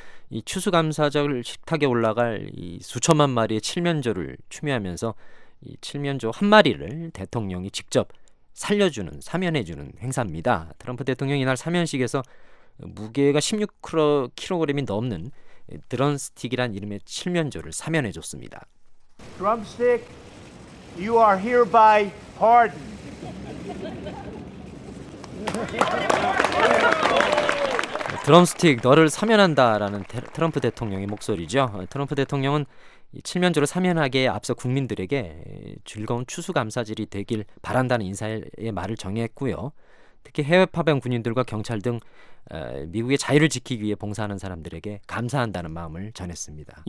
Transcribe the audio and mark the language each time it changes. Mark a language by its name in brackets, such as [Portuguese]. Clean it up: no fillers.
[Korean] 이 추수감사절 식탁에 올라갈 이 수천만 마리의 칠면조를 추모하면서 이 칠면조 한 마리를 대통령이 직접 살려주는 사면해주는 행사입니다. 트럼프 대통령이 이날 사면식에서 무게가 16kg이 넘는 드론스틱이란 이름의 칠면조를 사면해줬습니다. [English] Drumstick, you are hereby pardoned. [Korean] 드럼스틱 너를 사면한다라는 트럼프 대통령의 목소리죠. 트럼프 대통령은 칠면조를 사면하기에 앞서 국민들에게 즐거운 추수감사절이 되길 바란다는 인사의 말을 정했고요. 특히 해외 파병 군인들과 경찰 등 미국의 자유를 지키기 위해 봉사하는 사람들에게 감사한다는 마음을 전했습니다.